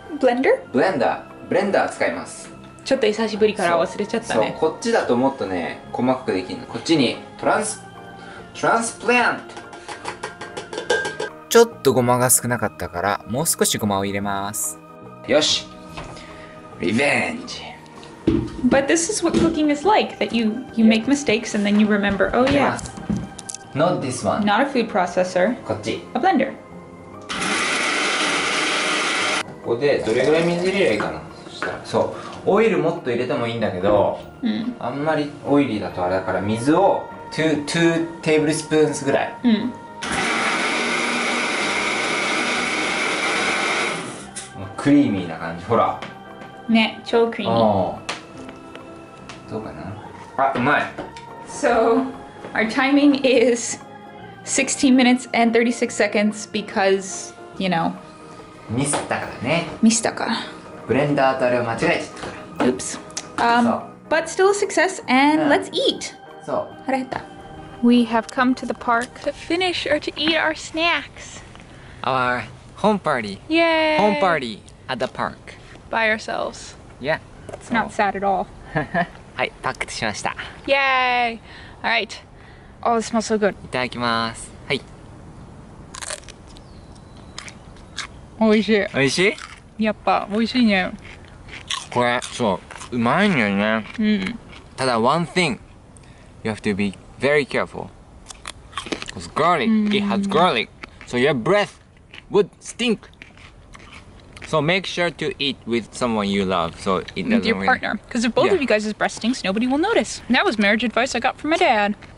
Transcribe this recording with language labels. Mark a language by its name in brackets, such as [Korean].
[Japanese] ブレンダー使います。ちょっと久しぶりから忘れちゃったね。そう、こっちだともっとね細かくできるの。こっちにトランスプラント。ちょっとごまが少なかったからもう少しごまを入れます。よし、リベンジ。 [English] But this is what cooking is like, that you make mistakes and then you remember, oh yeah. Not this one. Not a food processor. [Japanese] こっち。 [English] A blender. [Japanese] ここでどれぐらい水入れればいいかな。そしたら、そう、オイルもっと入れてもいいんだけど、あんまりオイリーだとあれだから、水を2 tablespoons ぐらい。クリーミーな感じ、ほらね、超クリーミー。 どうかな、あ、うまい。 [English] So, our timing is 16 minutes and 36 seconds because, you know, [Japanese] ミスったからね、ミスったから、ブレンダーとあれを間違えちゃったから [English] 、 Oops、But still a success and、let's eat。 [Japanese] そう、腹減った。 [English] We have come to the park to finish or to eat our snacks. Our home party. Yay! Home party at the park. By ourselves. Yeah. It's not sad at all. [Japanese] はい、パックしました。 [English] Yay! All right. Oh, it smells so good. [Japanese] いただきます。はい。おいしい。おいしい？やっぱおいしいね。これ、そう、うまいんだよね。うん。 [English] ただ、one thing. You have to beVery careful. Because garlic,、it has garlic. So your breath would stink. So make sure to eat with someone you love. So it doesn't with your really... partner. Because if both、of you guys' breath stinks, nobody will notice. That was marriage advice I got from my dad.